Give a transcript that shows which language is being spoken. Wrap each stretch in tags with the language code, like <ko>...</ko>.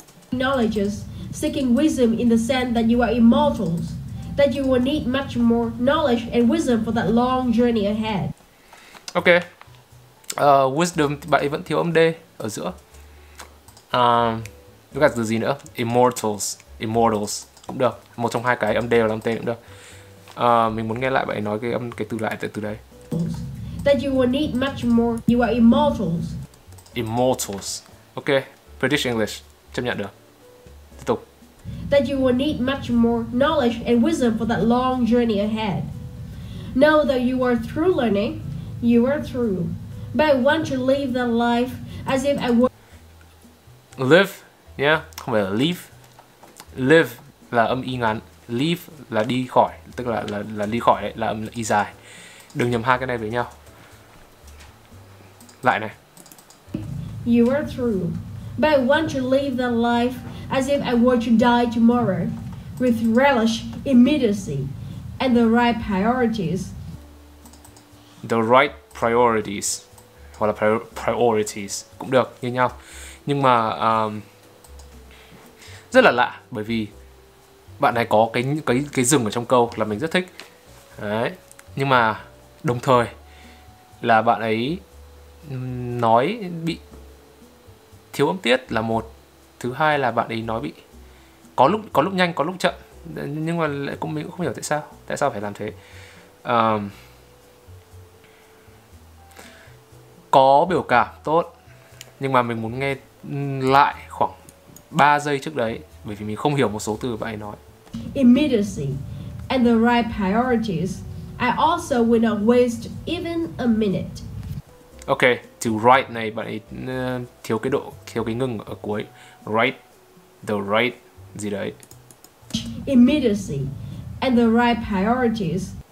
<en>knowledge, seeking wisdom in the sense that you are immortals, that you will need much more knowledge and wisdom for that long journey ahead. Ok.</en> <vi>Wisdom bạn ấy vẫn thiếu âm d ở giữa. Có cả từ gì nữa? Immortals cũng được, một trong hai cái âm d và âm t cũng được. Mình muốn nghe lại bạn ấy nói cái từ đấy.</vi> <en>That you will need much more. You are immortals. Immortals.</en> <vi>Ok, British English chấp nhận được. Tiếp tục.</vi> <en>That you will need much more knowledge and wisdom for that long journey ahead. Know that you are through learning, you are through. But I want to live the life as if I were</en> <vi>live, yeah, không phải là live. live là âm y ngắn, leave là đi khỏi, tức là đi khỏi đấy, là âm y dài. Đừng nhầm hai cái này với nhau. Lại này.</vi> <en>You are true, but I want to live the life as if I were to die tomorrow, with relish, immediacy, and the right priorities. The right priorities,</en> <vi>hoặc là priorities cũng được như nhau. Nhưng mà rất là lạ, bởi vì bạn này có cái dừng ở trong câu là mình rất thích. Đấy. Nhưng mà đồng thời là bạn ấy nói bị thiếu âm tiết là một, thứ hai là bạn ấy nói bị có lúc nhanh có lúc chậm, nhưng mà mình cũng không hiểu tại sao phải làm thế. Có biểu cảm tốt, nhưng mà mình muốn nghe lại khoảng 3 giây trước đấy, bởi vì mình không hiểu một số từ bạn ấy nói.</vi> <en>Immediacy and the right priorities. I also will not waste even a minute.</en> <vi>Ok, từ right này bạn ấy thiếu cái độ, thiếu cái ngừng ở cuối.</vi> <en>Right, the right</en> <vi>gì đấy.</vi> <en>Immediacy and the right priorities.</en>